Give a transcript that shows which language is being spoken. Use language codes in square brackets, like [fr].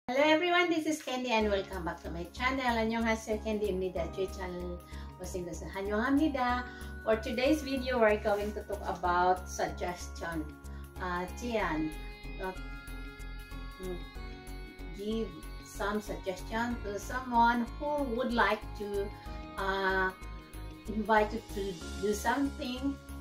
[en] Hello everyone, this is Candy and welcome back to my channel. [ko] 안녕하세요, Candy입니다. 제 채널 오신 것을 환영합니다. [en] For today's video, we're going to talk about suggestion. 제안, give some suggestion to someone who would like to invite you to do something.